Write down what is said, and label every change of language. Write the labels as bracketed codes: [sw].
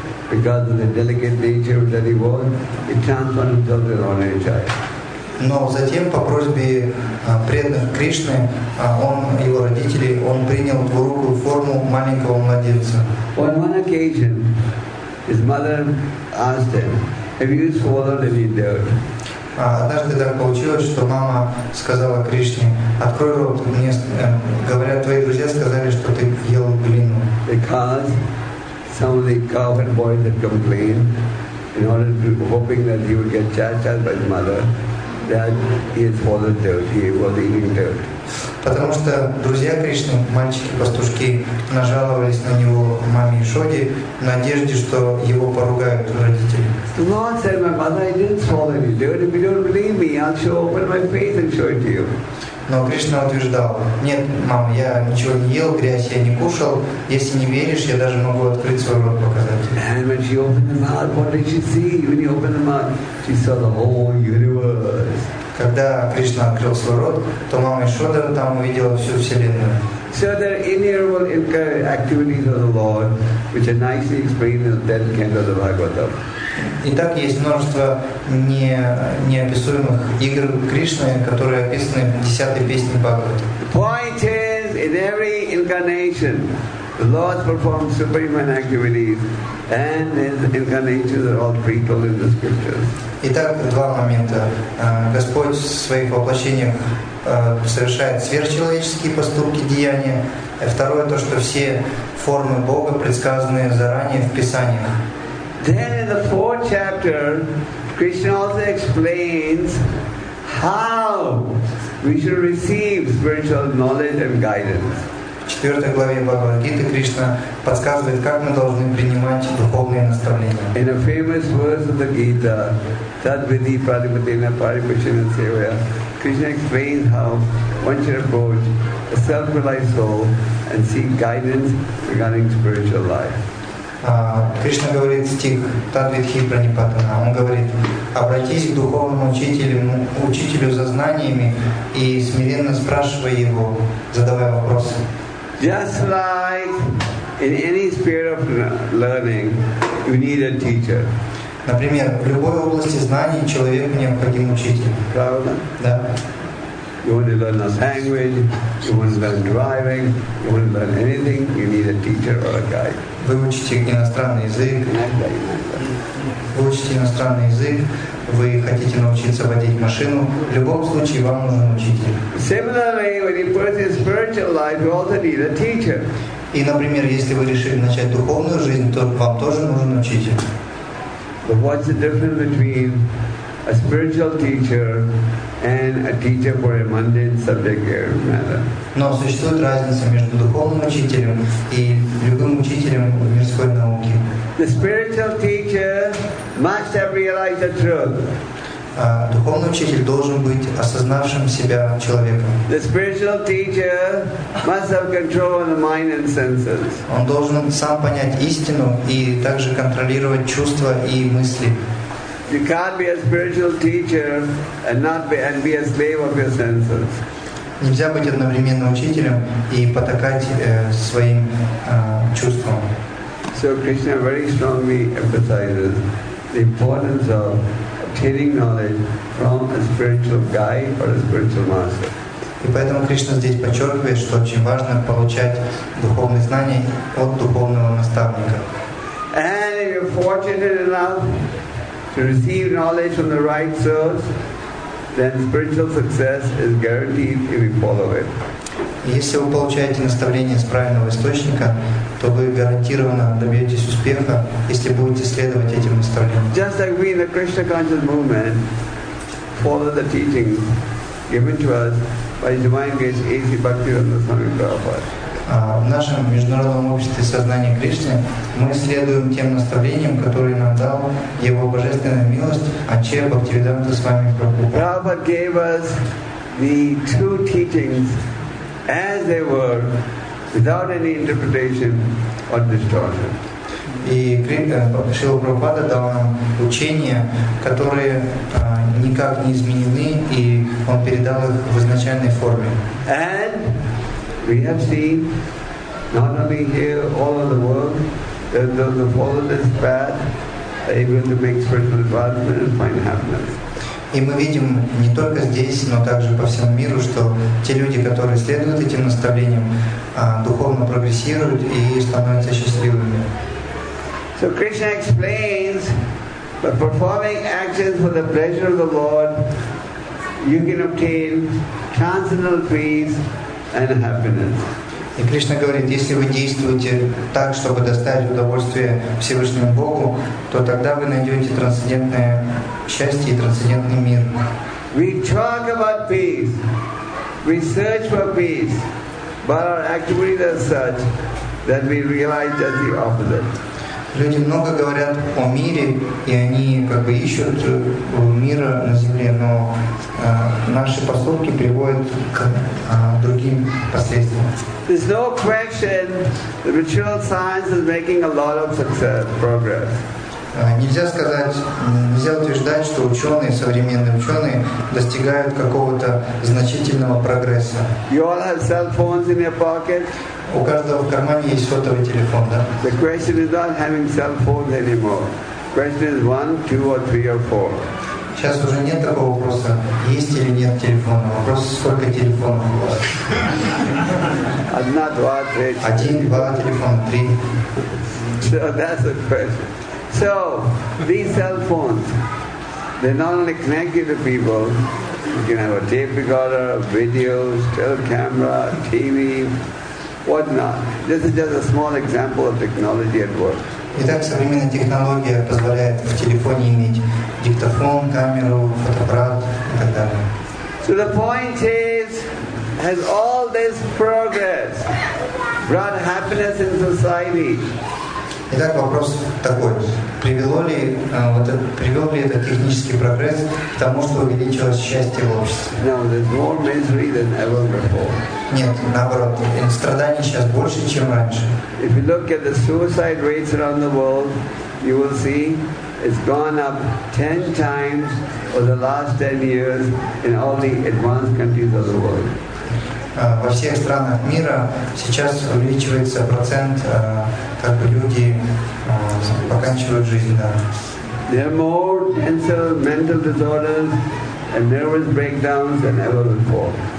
[en] Because of the delicate nature that he was, he transformed himself into an archer. [ru] Но затем, по просьбе преданных Кришны, он, его родители, он принял двурукую форму маленького младенца. [en] On one occasion, his mother asked him, have you swallowed any dirt? [ru] Однажды так получилось, что мама сказала Кришне, открой рот, мне говорят, твои друзья сказали, что ты ел глину. [en] Because some of the cowherd boys had complained, in order to be hoping that he would get chastised by his mother. That he had fallen dirt, he was eating dirt. [ru] Потому что друзья Кришны, мальчики-пастушки, нажаловались на него маме Ишоде в надежде, что его поругают родители. [en] The Lord said, my mother, I didn't fall any dirt. If you don't believe me, I'll show open my face and show it to you. [ru] Но Кришна утверждал, нет, мам, я ничего не ел, грязь я не кушал. Если не веришь, я даже могу открыть свой рот показать. [en] And when she opened the mouth, what did she see? When he opened the mouth, she saw the whole universe. [ru] Когда Кришна открыл свой рот, то мама Ишода там увидела всю Вселенную. [en] So there are innumerable activities of the Lord, which are nicely explained in the 10th canto of the Bhagavatam. [ru] Итак, есть множество неописуемых игр Кришны, которые описаны в 10-й песне Бхагавата. [en] Point is, in every incarnation, the Lord performs superhuman activities, and his incarnations are all pre-told in the scriptures. [ru] Итак, два момента. Господь в своих воплощениях совершает сверхчеловеческие поступки, деяния. И второе, то, что все формы Бога предсказаны заранее в Писаниях. [en] Then in the fourth chapter, Krishna also explains how we should receive spiritual knowledge and guidance. [ru] В четвертой главе Бхагавад-гиты Кришна подсказывает, как мы должны принимать духовные наставления. [en] In a famous verse of the Gita, [sa] Tadvidhi Pratipatena Paripashana Sevaya, [en] Krishna explains how one should approach a self-realized soul and seek guidance regarding spiritual life. [ru] Кришна говорит стих [sa] Тадвидхи Пранипатана. [ru] Он говорит, обратись к духовному учителю, учителю за знаниями и смиренно спрашивай его, задавая вопросы. [en] Just like in any sphere of learning, you need a teacher. [ru] Например, в любой области знаний человеку необходим учитель. Правда? Да. [en] You want to learn a language, you want to learn driving, you want to learn anything, you need a teacher or a guide. [ru] Вы учите иностранный язык. Вы учите иностранный язык, вы хотите научиться водить машину. В любом случае, вам нужен учитель. [en] Similarly, when you pursue spiritual life, you also need a teacher. [ru] И, например, если вы решили начать духовную жизнь, то вам тоже нужен учитель. [en] But what's the difference between a spiritual teacher and a teacher for a mundane subject matter? [ru] Но существует разница между духовным учителем и любым учителем в мирской науке. [en] The spiritual teacher must have realized the truth. [ru] Духовный учитель должен быть осознавшим себя человеком. [en] The spiritual teacher must have control on the mind and senses. [ru] Он должен сам понять истину и также контролировать чувства и мысли. [en] You can't be a spiritual teacher and be a slave of your senses. [ru] Нельзя быть одновременно учителем и потакать своим чувствам. [en] So Krishna very strongly emphasizes the importance of obtaining knowledge from a spiritual guide or a spiritual master. [ru] И поэтому Кришна здесь подчеркивает, что очень важно получать духовные знания от духовного наставника. [en] And if you're fortunate enough to receive knowledge from the right source, then spiritual success is guaranteed if you follow it. [ru] Если вы получаете наставление с правильного источника, то вы гарантированно добьетесь успеха, если будете следовать этим наставлениям. [en] Just like we in the Krishna conscious movement follow the teachings given to us by His divine grace A.C. Bhaktivedanta Swami Prabhupada. [ru] В нашем международном обществе сознания Кришны мы следуем тем наставлениям, которые нам дал Его божественная милость Ачарья Бхактивиданта Свами Прабхупада. [en] Prabhupada gave us the true teachings as they were, without any interpretation or distortion. [ru] И Шрила Прабхупада дал нам учения, которые никак не изменены, и он передал их в изначальной форме. [en] And we have seen, not only here, all over the world, that those who follow this path are able to make spiritual advancement and find happiness. [ru] И мы видим не только здесь, но также по всему миру, что те люди, которые следуют этим наставлениям, духовно прогрессируют и становятся счастливыми. [en] So Krishna explains that performing actions for the pleasure of the Lord, you can obtain transcendental peace and happiness. [ru] И Кришна говорит, если вы действуете так, чтобы доставить удовольствие Всевышнему Богу, то тогда вы найдете трансцендентное счастье и трансцендентный мир. [en] We talk about peace, we search for peace, but our activities are such that we realize just the opposite. [ru] Люди много говорят о мире, и они как бы ищут мира на земле, но наши поступки приводят к другим последствиям. [en] There's no question that material science is making a lot of success, progress. [ru] Нельзя утверждать, что ученые, современные ученые, достигают какого-то значительного прогресса. [en] You all have cell phones in your pocket. [ru] У каждого в кармане есть сотовый телефон, да? [en] The question is not having cell phones anymore. Question is one, two, or three, or four. [ru] Сейчас уже нет такого вопроса, есть или нет телефона. Вопрос, сколько телефонов у вас? Одна, два, три. Один, два, телефона, три. [en] So that's the question. So, these cell phones, they not only connect you to people, you can have a tape recorder, videos, tele camera, TV, what not. This is just a small example of technology at work. [ru] Итак, современная технология позволяет в телефоне иметь диктофон, камеру, фотоаппарат и так далее. [en] So the point is, has all this progress brought happiness in society? [ru] Итак, вопрос такой. Привел ли этот технический прогресс к тому, что увеличилось счастье в обществе? [en] No, there's more misery than ever before. [ru] Нет, наоборот, страданий сейчас больше, чем раньше. [en] If you look at the suicide rates around the world, you will see it's gone up 10 times over the last 10 years in all the advanced countries of the world. [ru] Во всех странах мира сейчас увеличивается процент, как люди поканчивают жизнь, да. [en] There are more denser mental disorders and nervous breakdowns than ever before.